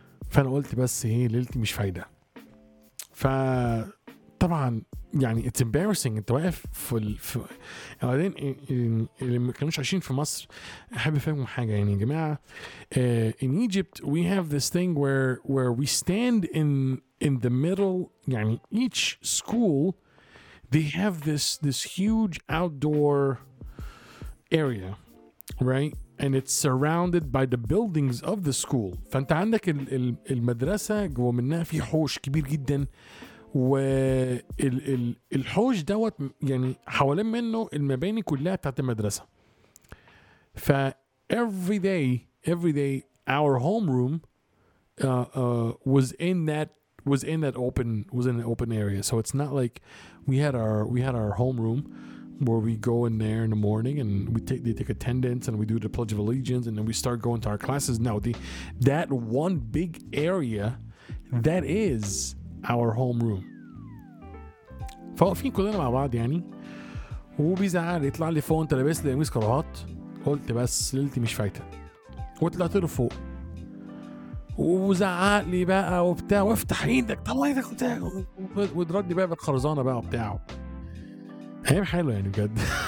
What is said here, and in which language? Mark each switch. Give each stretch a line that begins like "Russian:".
Arabic: فانا قلت بس ايه ليلتي مش فايده. فطبعا
English: يعني it's embarrassing
Arabic: انت واقف في بعدين اللي ما كانوش عايشين في مصر احب افهمهم حاجه يعني يا جماعه
English: in Egypt we have this thing where we stand in the middle يعني each school they have this huge outdoor area right and it's surrounded by the buildings of the school.
Arabic: فانت عندك المدرسه جوه منها في حوش كبير جدا والحوش دوت يعني حوالين منه المباني كلها بتاعت المدرسه.
English: ف every day our homeroom was in that open area. So it's not like we had our homeroom where we go in there in the morning and they take attendance and we do the Pledge of Allegiance and then we start going to our classes. Now that one big area, that is our homeroom.
Arabic: فوقفين كلنا مع بعض يعني وبيزعل يطلع لي فوق انت لابس لي قميص كراهات. قلت بس ليلتي مش فايته وطلعت له فوق وزعق لي بقى وبتاع وافتح ايدك طلع ايدك وبتاع وردي بقى بالخرزانه بقى وبتاعه هيم حلو يعني بجد.